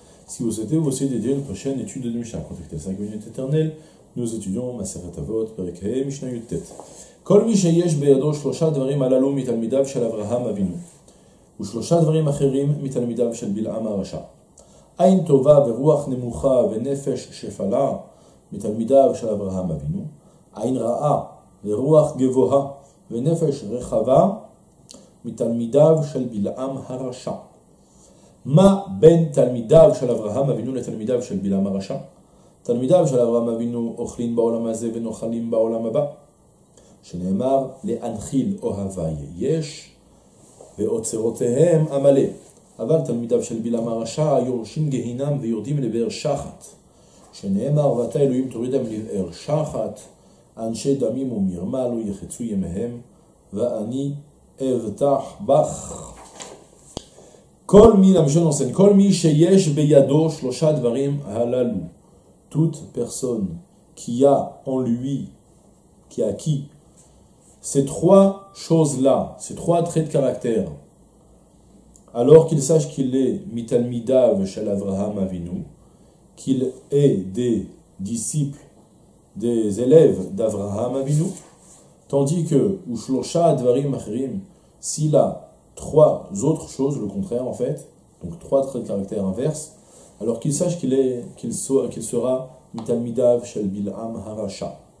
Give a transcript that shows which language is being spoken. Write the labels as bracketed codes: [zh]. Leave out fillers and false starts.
[fr] Si vous souhaitez vous aussi dédier une prochaine étude de Mishnah, contactez 5 minutes éternelles, nous étudions Maseret Avot, Perikhe, Mishnah Yutet. [he] Kol Mishayesh Beyado Shlosha Dvarim Alalu Mitalmidav Shel Avraham Avinu. ושלושה דברים אחרים מתלמידיו של בלעם הרשע. עין טובה ורוח נמוכה ונפש שפלה מתלמידיו של אברהם אבינו. עין רעה ורוח גבוהה ונפש רחבה מתלמידיו של בלעם הרשע. מה בין תלמידיו של אברהם אבינו לתלמידיו של בלעם הרשע? תלמידיו של אברהם אבינו אוכלים בעולם הזה ונוחלים בעולם הבא. שנאמר להנחיל אוהבי יש. ועוצרותיהם המלא, אבל תלמידיו של בלעם הרשע יורשים גהינם ויורדים לבאר שחת, שנאמר ואתה אלוהים תורידם לבאר שחת, אנשי דמים ומרמה לא יחצו ימיהם, ואני אבטח בך. כל מי שיש בידו שלושה דברים הללו, [fr] toute personne qui a en lui, qui a qui, ces trois choses-là, ces trois traits de caractère, alors qu'il sache qu'il est [he] mitalmidav shel Avraham Avinu, [fr] qu'il est des disciples, des élèves d'Avraham Avinu, tandis que [he] ushlosha advarim achrim, [fr] s'il a trois autres choses, le contraire en fait, donc trois traits de caractère inverses, alors qu'il sache qu'il sera [he] mitalmidav shel Bilam Harasha.